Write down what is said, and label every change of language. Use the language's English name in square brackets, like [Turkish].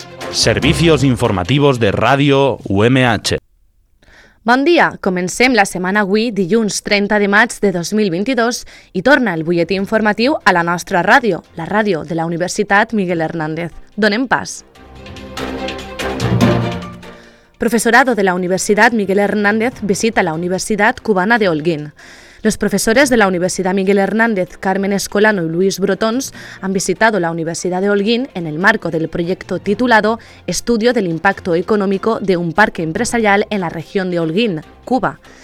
[Spanish] Servicios informativos de Radio UMH. [Catalan] Bon dia, comencem la setmana avui, dilluns 30 de maig de 2022, i torna el butlletí informatiu a la nostra ràdio, la ràdio de la Universitat Miguel Hernández. Donem pas. [Spanish] Professorado de la Universidad Miguel Hernández visita la Universidad Cubana de Holguín. Los profesores de la Universidad Miguel Hernández, Carmen Escolano y Luis Brotons, han visitado la Universidad de Holguín en el marco del proyecto titulado Estudio del impacto económico de un parque empresarial en la región de Holguín, Cuba.